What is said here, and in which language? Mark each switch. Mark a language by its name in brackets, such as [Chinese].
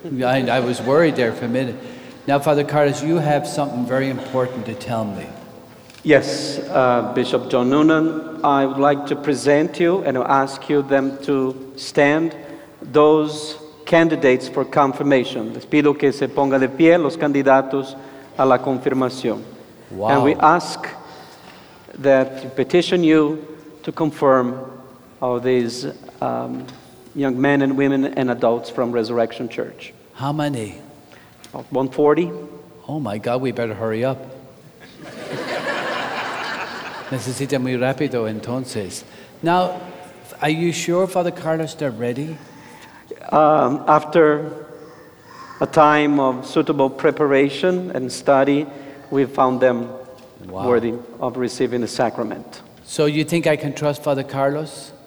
[English] I was worried there for a minute. Now, Father Carlos, you have something very important to tell me. Yes, Bishop John Noonan, I would like to present you and ask you them to stand, those candidates for confirmation. [Spanish] Les pido que se ponga de pie los candidatos a la confirmación. [English] Wow. And we ask that we petition you to confirm all these young men and women and adults from Resurrection Church. How many? 140. Oh my God, we better hurry up. [Spanish] Necesita muy rápido, entonces. [English] Now, are you sure, Father Carlos, they're ready? After a time of suitable preparation and study, we found them wow. worthy of receiving the sacrament. So you think I can trust Father Carlos?